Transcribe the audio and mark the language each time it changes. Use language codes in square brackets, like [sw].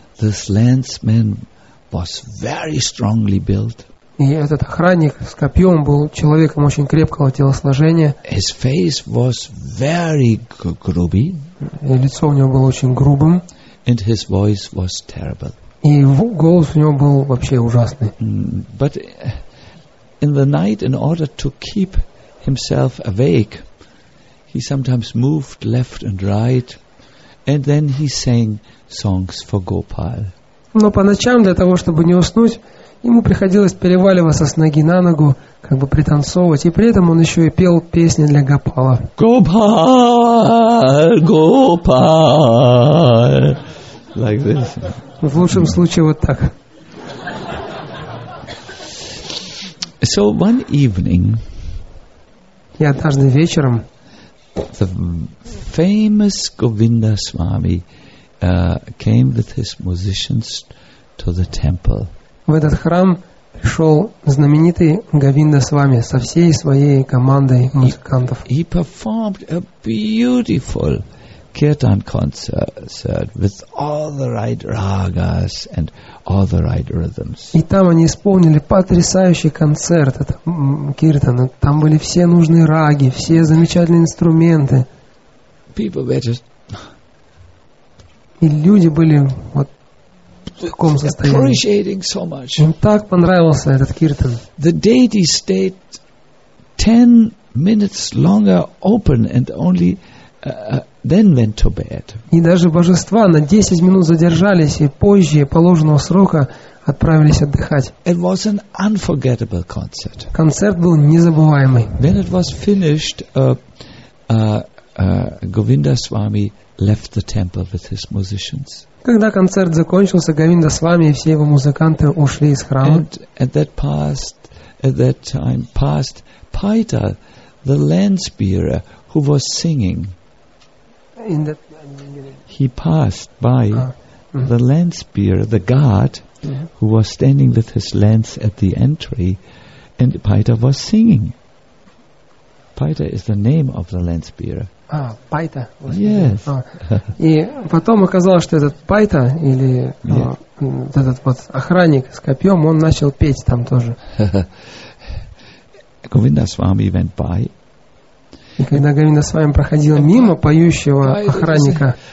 [en] This lanceman was very strongly built. [ru] И этот охранник с копьем был человеком очень крепкого телосложения. [en] His face was very groovy. [ru] И лицо у него было очень грубым. [en] And his voice was terrible. [ru] И голос у него был вообще ужасный. [en] But in the night, in order to keep himself awake, he sometimes moved left and right, and then he sang songs for Gopal. [ru] Но по ночам для того, чтобы не уснуть, ему приходилось переваливаться с ноги на ногу, как бы пританцовывать, и при этом он еще и пел песни для Гопала. [en] Гопал, Гопал, like this. [ru] В лучшем случае вот так. [en] So one evening, [ru] и однажды вечером, [en] the famous Govinda Swami came with his musicians to the temple. [ru] В этот храм пришел знаменитый Говинда Свами со всей своей командой музыкантов. [en] He performed a beautiful kirtan concert with all the right ragas and all the right rhythms. [ru] И там они исполнили потрясающий концерт этот киртан. Там были все нужные раги, все замечательные инструменты. [en] People were just... [ru] И люди были вот в таком состоянии. [en] So much. [ru] Им так понравился этот киртан. [en] The deity stayed 10 minutes longer open and only then went to bed. [ru] И даже божества на 10 минут задержались и позже положенного срока отправились отдыхать. [en] It was an unforgettable concert. [ru] Концерт был незабываемый. [en] When it was finished, Govinda Swami left the temple with his musicians. [ru] Когда концерт закончился, Говинда Свами и все его музыканты ушли из храма. [en] And at that past, at that time passed Paita, the lance bearer, who was singing. In that, he passed by the lance bearer, the guard, who was standing with his lance at the entry, and Paita was singing. Paita is the name of the lance bearer. [ru] Пайта. [en] Yes. [ru] И потом оказалось, что этот Пайта, или этот вот охранник с копьем, он начал петь там тоже. [en] Govinda Swami went by. [ru] И когда Говинда Свами проходил мимо поющего охранника,